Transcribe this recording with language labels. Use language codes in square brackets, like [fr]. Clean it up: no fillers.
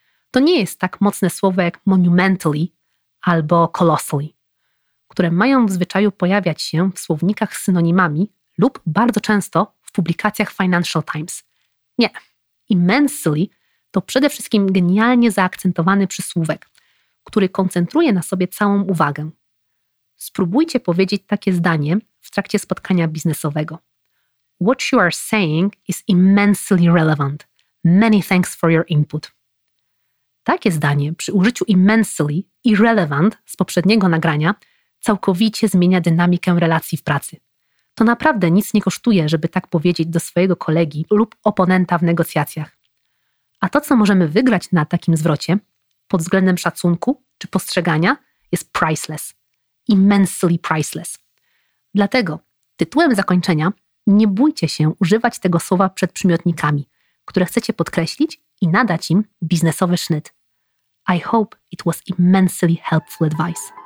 [pl] To nie jest tak mocne słowo jak monumentally albo colossally, które mają w zwyczaju pojawiać się w słownikach z synonimami lub bardzo często w publikacjach Financial Times. Nie. Immensely to przede wszystkim genialnie zaakcentowany przysłówek, który koncentruje na sobie całą uwagę. Spróbujcie powiedzieć takie zdanie w trakcie spotkania biznesowego. [en] What you are saying is immensely relevant. Many thanks for your input. [pl] Takie zdanie przy użyciu immensely, irrelevant z poprzedniego nagrania całkowicie zmienia dynamikę relacji w pracy. To naprawdę nic nie kosztuje, żeby tak powiedzieć do swojego kolegi lub oponenta w negocjacjach. A to, co możemy wygrać na takim zwrocie, pod względem szacunku czy postrzegania, jest priceless. Immensely priceless. Dlatego tytułem zakończenia nie bójcie się używać tego słowa przed przymiotnikami, które chcecie podkreślić i nadać im biznesowy sznyt. [en] I hope it was immensely helpful advice.